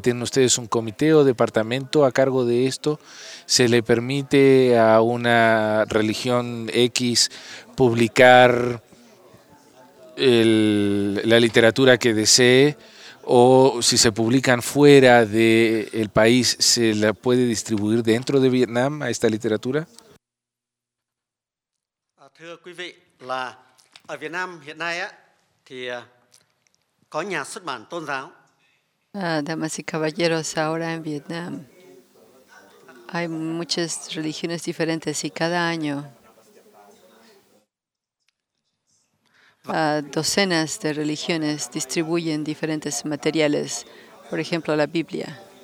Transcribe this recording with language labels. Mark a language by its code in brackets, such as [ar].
[es] ¿Tienen ustedes un comité o departamento a cargo de esto? ¿Se le permite a una religión X publicar la literatura que desee? ¿O si se publican fuera del país, se la puede distribuir dentro de Vietnam a esta literatura? [vi] Thưa quý vị, là ở Việt Nam hiện nay á thì có nhà xuất bản tôn giáo. [es] Damas y caballeros, ahora en Vietnam hay muchas religiones diferentes y cada año docenas de religiones distribuyen diferentes materiales, por ejemplo, la Biblia.